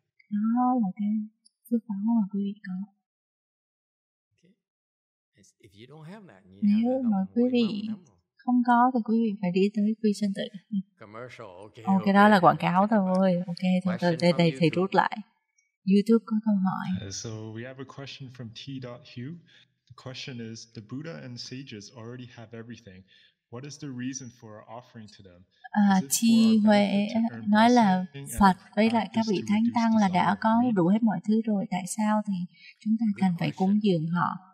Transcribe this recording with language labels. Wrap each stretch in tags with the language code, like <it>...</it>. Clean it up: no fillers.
<vi>Đó là cái phước báo mà quý vị có.</vi> <en>If you don't have that, you</en> <vi>nếu mà quý vị không có thì quý vị phải đi tới quy sinh tự.</vi> <en>Commercial, okay,</en> <vi>ok. Cái đó là quảng cáo thôi. Ok, thôi đây đây thầy rút lại. YouTube có câu hỏi.</vi> <en>So we have a question from T.Hugh. The question is, the Buddha and sages already have everything. What is the reason for our offering to them?</en> <vi>Chi Huệ nói là Phật với lại các vị Thánh Tăng là đã có đủ hết mọi thứ rồi. Tại sao thì chúng ta cần phải cúng dường họ?</vi>